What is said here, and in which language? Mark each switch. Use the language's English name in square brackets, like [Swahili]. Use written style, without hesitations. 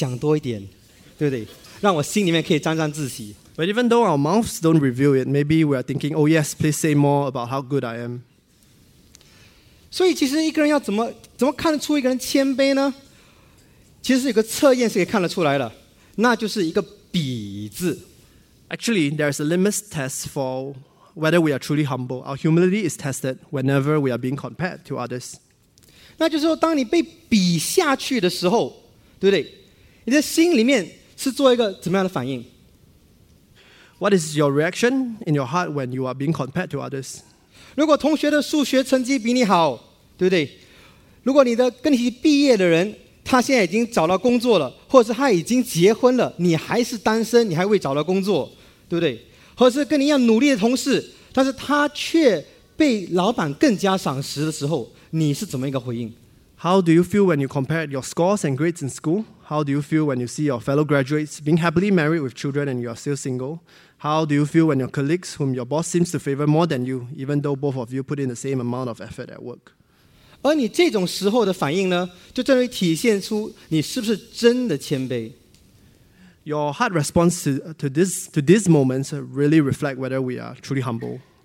[Chinese] 然而我们知道，我们虽然嘴里那么说，我们的心里面是非常期盼，你可以讲多一点，对不对？让我心里面可以沾沾自喜。 [English] But even though our mouths don't reveal it, maybe we are thinking, oh yes, please say more about how good I am. [Chinese] 所以其实一个人要怎么看得出一个人谦卑呢？其实有个测验是可以看得出来的，那就是一个比字。 [English] Actually, there is a litmus test for whether we are truly humble. Our humility is tested whenever we are being compared to others. [Chinese] 那就是说，当你被比下去的时候，对不对？你的心里面是做一个怎么样的反应？ [English] What is your reaction in your heart when you are being compared to others? [Chinese] 如果同学的数学成绩比你好， 对不对？如果你的跟你毕业的人，他现在已经找到工作了，或者他已经结婚了，你还是单身，你还未找到工作，对不对？或者是跟你一样努力的同事，但是他却被老板更加赏识的时候，你是怎么一个回应？ [English] How do you feel when you compare your scores and grades in school? How do you feel when you see your fellow graduates being happily married with children and you are still single? How do you feel when your colleagues, whom your boss seems to favor more than you, even though both of you put in the same amount of effort at work? [Chinese] 而你这种时候的反应呢，就正好体现出你是不是真的谦卑。 [English] Your heart response to this moment really reflect whether we are truly humble.